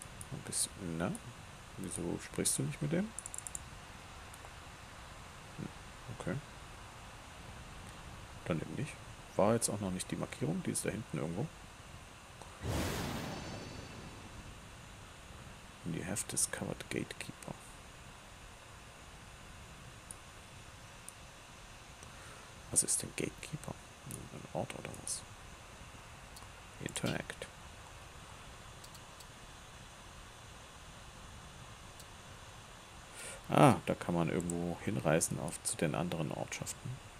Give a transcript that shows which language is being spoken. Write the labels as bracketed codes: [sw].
[de] Ein bisschen, na? Wieso sprichst du nicht mit dem? Okay. Dann eben nicht. War jetzt auch noch nicht die Markierung, die ist da hinten irgendwo. [en] And you have discovered Gatekeeper. [de] Was ist denn Gatekeeper? Ein Ort oder was? Interact. Ah, da kann man irgendwo hinreisen auf zu den anderen Ortschaften.